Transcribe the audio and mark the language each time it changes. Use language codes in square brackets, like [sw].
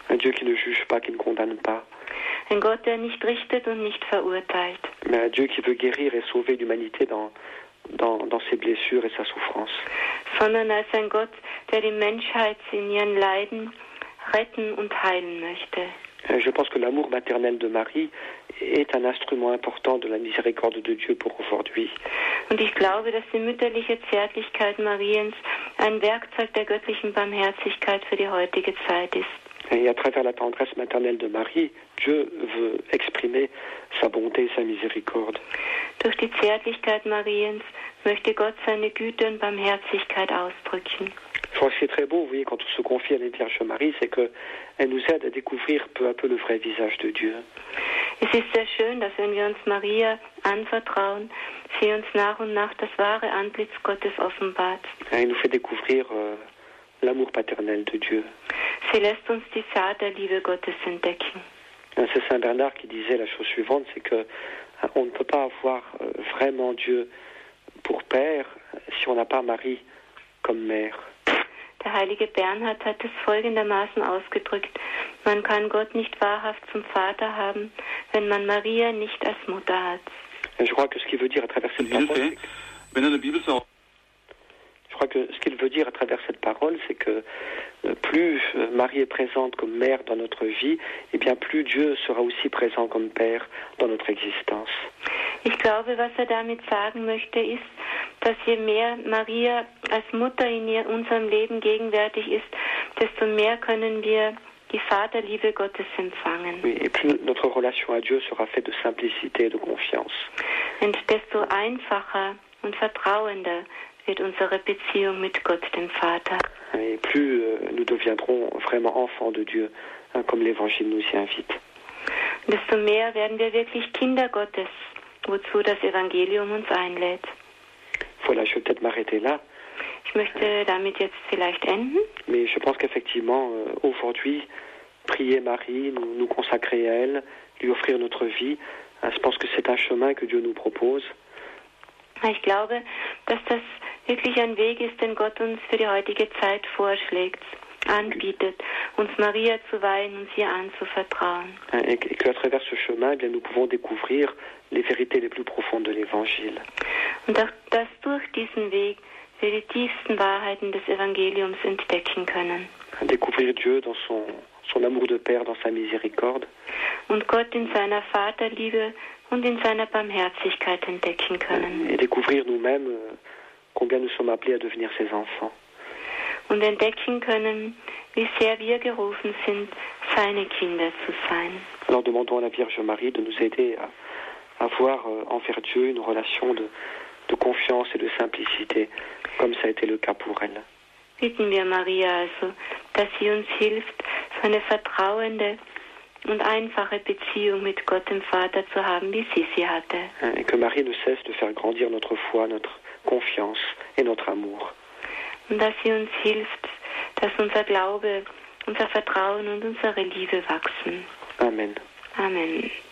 [fr] Un Dieu qui ne juge pas, qui ne condamne pas. [de] Ein Gott, der nicht richtet und nicht verurteilt. [fr] Mais un Dieu qui veut guérir et sauver l'humanité dans ses blessures et sa souffrance. [de] Sondern als ein Gott, der die Menschheit in ihren Leiden retten und heilen möchte. [fr] Je pense que l'amour maternel de Marie est un instrument important de la miséricorde de Dieu pour aujourd'hui. [de] Und ich glaube, dass die mütterliche Zärtlichkeit Mariens ein Werkzeug der göttlichen Barmherzigkeit für die heutige Zeit ist. [fr] Et à travers la tendresse maternelle de Marie, Dieu veut exprimer sa bonté et sa miséricorde. [de] Durch die Zärtlichkeit Mariens möchte Gott seine Güte und Barmherzigkeit ausdrücken. [fr] Je crois que c'est très beau, vous voyez, quand on se confie à la Vierge Marie, c'est qu'elle nous aide à découvrir peu à peu le vrai visage de Dieu. [de] Es ist sehr schön, dass wenn wir uns Maria anvertrauen, sie uns nach und nach das wahre Antlitz Gottes offenbart. [fr] Elle nous fait découvrir l'amour paternel de Dieu. [de] Sie lässt uns die Saat der Liebe Gottes entdecken. [fr] C'est Saint Bernard qui disait la chose suivante, c'est que on ne peut pas avoir vraiment Dieu pour Père si on n'a pas Marie comme Mère. [de] Der heilige Bernhard hat es folgendermaßen ausgedrückt: Man kann Gott nicht wahrhaft zum Vater haben, wenn man Maria nicht als Mutter hat. [fr] Je crois que ce qu'il veut dire à travers cette parole, c'est que plus Marie est présente comme mère dans notre vie, et bien plus Dieu sera aussi présent comme Père dans notre existence. [de] Ich glaube, was er damit sagen möchte, ist, dass je mehr Maria als Mutter in unserem Leben gegenwärtig ist, desto mehr können wir die Vaterliebe Gottes empfangen. [fr] Et plus notre relation à Dieu sera faite de simplicité et de confiance. [de] Und desto einfacher und vertrauender wird unsere Beziehung mit Gott, dem Vater. [fr] Et plus nous deviendrons vraiment enfants de Dieu, comme l'Évangile nous y invite. [de] Desto mehr werden wir wirklich Kinder Gottes, wozu das Evangelium uns einlädt. [fr] Voilà, je vais peut-être m'arrêter là. [de] Ich möchte damit jetzt vielleicht enden. [fr] Mais je pense qu'effectivement, aujourd'hui, prier Marie, nous consacrer à elle, lui offrir notre vie, je pense que c'est un chemin que Dieu nous propose. [de] Ich glaube, dass das wirklich ein Weg ist, den Gott uns für die heutige Zeit vorschlägt, anbietet, uns Maria zu weihen und ihr anzuvertrauen. [fr] Et qu'à travers ce chemin, eh bien, nous pouvons découvrir les vérités les plus profondes de l'Évangile. [de] Und auch, dass durch diesen Weg wir die tiefsten Wahrheiten des Evangeliums entdecken können. [fr] Découvrir Dieu dans son amour de Père, dans sa miséricorde. [de] Und Gott in seiner Vaterliebe und in seiner Barmherzigkeit entdecken können. [fr] Et découvrir nous-mêmes combien nous sommes appelés à devenir ses enfants. [de] Und entdecken können, wie sehr wir gerufen sind, seine Kinder zu sein. [fr] Alors demandons à la Vierge Marie de nous aider à avoir envers Dieu une relation de confiance et de simplicité, comme ça a été le cas pour elle. [de] Bitten wir Maria also, dass sie uns hilft, so eine vertrauende und einfache Beziehung mit Gott dem Vater zu haben, wie sie sie hatte. [fr] Et que Marie ne cesse de faire grandir notre foi, notre confiance et notre amour. [de] Und dass sie uns hilft, dass unser Glaube, unser Vertrauen und unsere Liebe wachsen. [fr] Amen. [de] Amen.